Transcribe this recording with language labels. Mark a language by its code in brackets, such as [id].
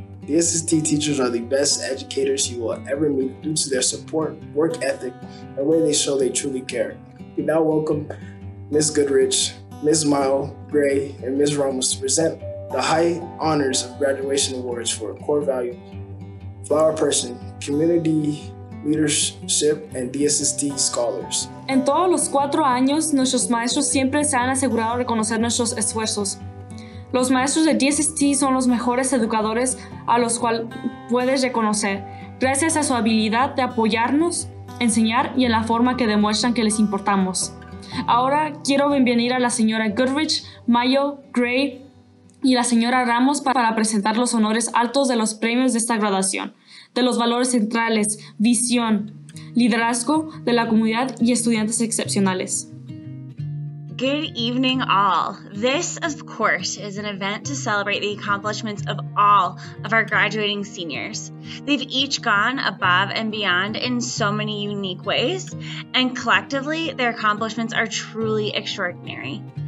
[en] DSST teachers are the best educators you will ever meet due to their support, work ethic, and way they show they truly care. We now welcome Ms. Goodrich, Ms. Mile, Gray, and Ms. Ramos to present the high honors of graduation awards for a core value, flower person, community leadership, and DSST scholars. [es] En todos los cuatro años, nuestros maestros siempre se han asegurado de reconocer nuestros esfuerzos. Los maestros de DSST son los mejores educadores a los cuales puedes reconocer, gracias a su habilidad de apoyarnos, enseñar y en la forma que demuestran que les importamos. Ahora quiero bienvenir a la señora Goodrich, Mayo, Gray y la señora Ramos para presentar los honores altos de los premios de esta graduación, de los valores centrales, visión, liderazgo de la comunidad y estudiantes excepcionales. [en] Good evening, all. This, of course, is an event to celebrate the accomplishments of all of our graduating seniors. They've each gone above and beyond in so many unique ways, and collectively, their accomplishments are truly extraordinary.